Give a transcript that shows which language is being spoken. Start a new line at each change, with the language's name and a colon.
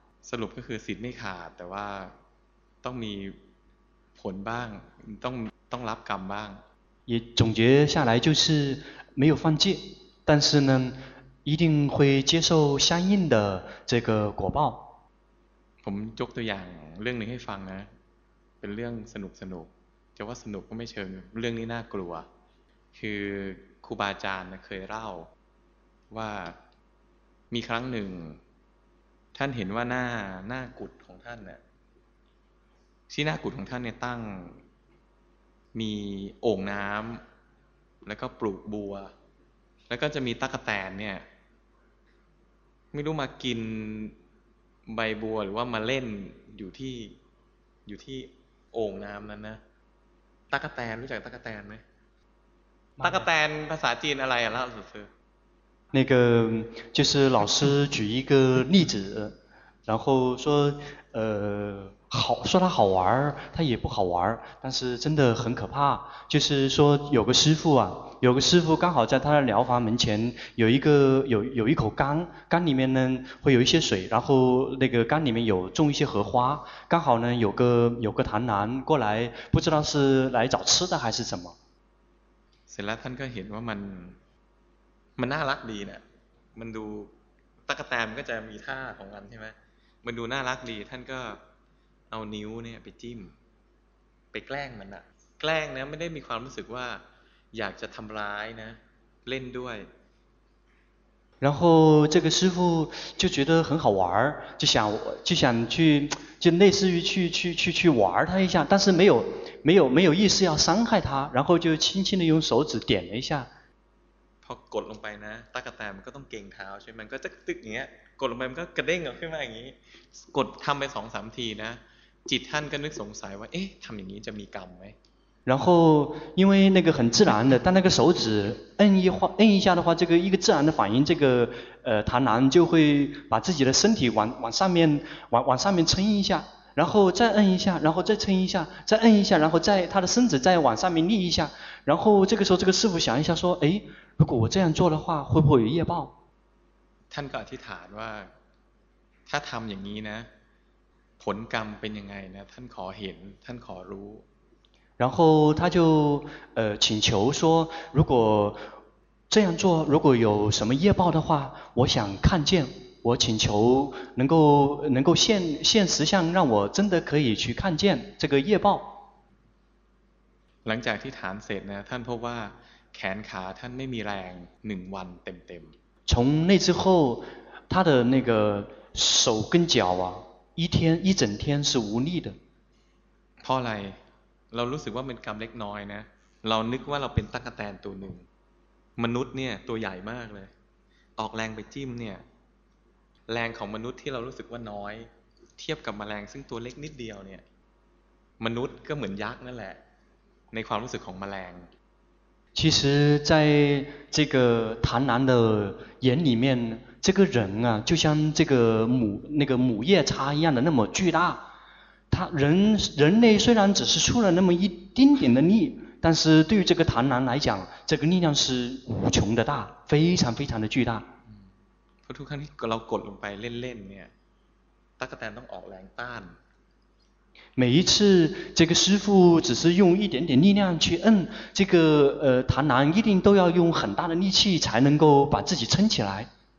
Thai: สรุปก็คือศีลไม่ขาดแต่ว่าต้องมีผลบ้างต้องรับกรรมบ้าง
Chinese: 也总结下来就是没有犯戒但是呢一定会接受相应的这个果报
Thai: ผมยกตัวอย่างเรื่องนี้ให้ฟังนะเป็นเรื่องสนุกจะว่าสนุกก็ไม่เชิงเรื่องนี้น่ากลัวคือครูบาอาจารย์เคยเล่าว่ามีครั้งหนึ่งท่านเห็นว่าหน้ากุฏของท่านเนี่ยที่หน้ากุฏของท่านเนี่ยตั้งมีโอ่งน้ำแล้วก็ปลูกบัวแล้วก็จะมีตั๊กแตนเนี่ยไม่รู้มากิน ใบบัวหรือว่ามาเล่นอยู่ที่โอ่งน้ำนั้นนะตั๊กแตนรู้จักตั๊กแตนไหมตั๊กแตนภาษาจีนอะไรอ่ะล่ะสุดซื้
Chinese: อ那个就是老师举一个例子然后说好说他好玩他也不好玩但是真的很可怕就是说有个师父啊有个师父刚好在他的疗房门前有一口缸缸里面呢会有一些水然后那个缸里面有种一些荷花刚好呢有个螳螂过来不知道是来找吃的还是什么所以他就看到它
Thai: น่ารักดีเนี่ยมันดูตั๊กแตนมันก็จะมีท่าของมันใช่ไหมมันดูน่ารักดีท่านก็เอานิ้วเนี่ยไปจิ้มไปแกล้งมันอะแกล้งนะไม่ได้มีความรู้สึกว่าอยากจะทำร้ายนะเล่นด้วย
Chinese: 然后这个师父就觉得很好玩就想去就类似于去玩他一下但是没有意思要伤害他然后就轻轻的用手指点了一下
Thai: พอกดลงไปนะตั๊กแตนมันก็ต้องเก่งเท้าใช่ไหมมันก็จะตึ๊กเงี้ยกดลงไปมันก็กระเด้งออกขึ้นมาอย่างนี้กดทำไป 2-3 ทีนะจิตท่านก็นึกสงสัยว่าเอ๊ะทำอย่างนี้จะมีกรรมไ หม
Chinese: 然后因为那个很自然的但那个手指摁一下的话这个一个自然的反应这个螳螂就会把自己的身体往上面撑一下然后再摁一下然后再撑一下再摁一下然后再他的身子再往上面立一下然后这个时候这个师傅想一下说哎如果我这样做的话会不会有业报
Thai: ท่านก็อธิษฐานว่าถ้าทำอย่างนี้นะผลกรรมเป็นยังไงนะท่านขอเห็นท่านขอรู้
Chinese: 然后他就请求说如果这样做如果有什么业报的话我想看见我请求能够现实相让我真的可以去看见这个业报
Thai: หลังจากที่ฐานเสร็จนะท่านพบว่าแขนขาท่านไม่มีแรง1วันเต็มๆ
Chinese: 从那之后他的那个手跟脚啊一整天是无力的
Thai: เพราะอะไรเรารู้สึกว่าเป็นกรรมเล็กน้อยนะเรานึกว่าเราเป็นตั๊กแตนตัวหนึ่งมนุษย์เนี่ยตัวใหญ่มากเลยออกแรงไปจิ้มเนี่ยแรงของมนุษย์ที่เรารู้สึกว่าน้อยเทียบกับแมลงซึ่งตัวเล็กนิดเดียวเนี่ยมนุษย์ก็เหมือนยักษ์นั่นแหละในความรู้สึกของแมลง
Chinese: 其实在这个螳螂的眼里面这个人啊就像这个母夜叉一样的那么巨大他人类虽然只是出了那么一丁点的力但是对于这个螳螂来讲这个力量是无穷的大非常非常的巨大
Thai: พอทุกครั้งที่เรากดลงไปเล่นๆเนี่ยตั๊กแตนต้องออกแรงต้าน
Chinese: 每一次这个师父只是用一点点力量去摁这个螳螂一定都要用很大的力气才能够把自己撑起来